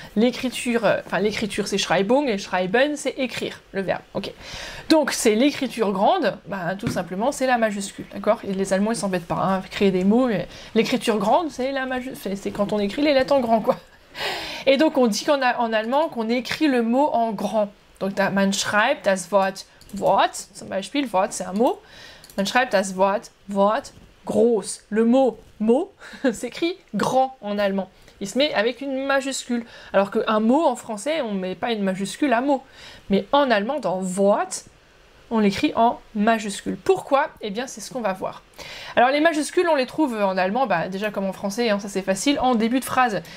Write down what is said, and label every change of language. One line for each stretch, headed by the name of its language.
French: L'écriture, c'est Schreibung, et schreiben, c'est écrire, le verbe. Okay. Donc, c'est l'écriture grande, bah, tout simplement, c'est la majuscule, d'accord? Et les Allemands, ils s'embêtent pas, hein, à créer des mots, mais l'écriture grande, c'est la majuscule, c'est quand on écrit les lettres en grand, quoi. Et donc, on dit qu'en allemand, qu'on écrit le mot en grand. Donc, t'as
German: man schreibt das Wort, Wort, zum Beispiel, Wort,
French: c'est un mot.
German: Man schreibt das Wort, Wort, grosse.
French: Le mot s'écrit grand en allemand. Il se met avec une majuscule. Alors qu'un mot en français, on ne met pas une majuscule à mot. Mais en allemand, dans Wort, on l'écrit en majuscule. Pourquoi? Eh bien, c'est ce qu'on va voir. Alors, les majuscules, on les trouve en allemand, bah, déjà comme en français, hein, ça c'est facile, en début de phrase.